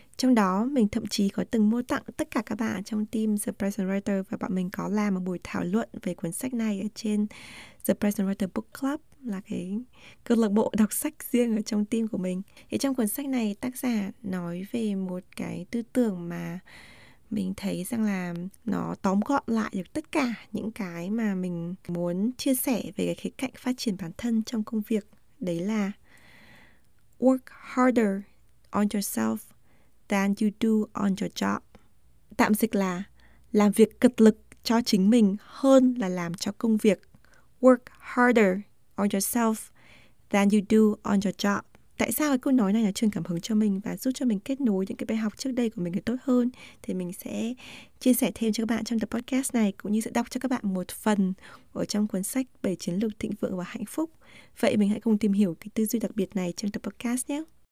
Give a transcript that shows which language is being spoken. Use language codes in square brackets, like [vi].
[vi] Trong đó mình thậm chí có từng mua tặng tất cả các bạn trong team The Present Writer, và bọn mình có làm một buổi thảo luận về cuốn sách này ở trên The Present Writer Book Club, là cái câu lạc bộ đọc sách riêng ở trong team của mình. Thì trong cuốn sách này tác giả nói về một cái tư tưởng mà mình thấy rằng là nó tóm gọn lại được tất cả những cái mà mình muốn chia sẻ về cái khía cạnh phát triển bản thân trong công việc. [en] Đấy là work harder on yourself than you do on your job. [vi] Tạm dịch là làm việc cực lực cho chính mình hơn là làm cho công việc. [en] Work harder on yourself than you do on your job. [vi] Tại sao cái câu nói này là truyền cảm hứng cho mình và giúp cho mình kết nối những cái bài học trước đây của mình được tốt hơn, thì mình sẽ chia sẻ thêm cho các bạn trong tập podcast này, cũng như sẽ đọc cho các bạn một phần ở trong cuốn sách 7 chiến lược thịnh vượng và hạnh phúc. Vậy mình hãy cùng tìm hiểu cái tư duy đặc biệt này trong tập podcast nhé.